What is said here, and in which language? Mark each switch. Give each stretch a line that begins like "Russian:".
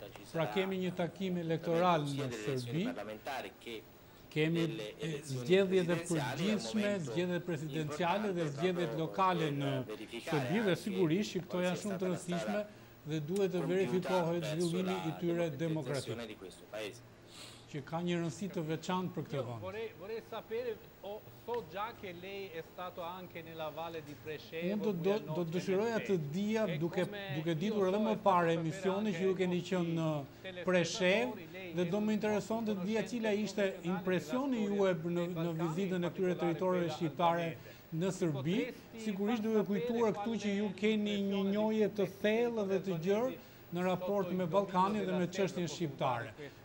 Albanian: Pra kemi një takim elektoral në Serbi, kemi zgjedhjet e përgjithshme, zgjedhjet presidenciale dhe zgjedhjet lokale në Serbi dhe sigurisht që këto janë shumë të rëndësishme dhe duhet të verifikohet zhvillimi i tyre demokratik, që ka një rëndësi të veçantë për këtë vend.
Italian: Vorrei sapere o so già che lei è stato anche nella Valle di Preshevo.
Albanian: Unë do të dëshiroja të dija, duke ditur edhe më parë emisioni që ju keni qenë në Preshevë, dhe do më intereson të dija cila ishte impresioni juaj në vizitën e këtyre territoreve shqiptare në Serbi. Sigurisht duhet kujtuar këtu që ju keni një njohje të thellë dhe të gjerë në raport me Ballkanin dhe me çështjen shqiptare.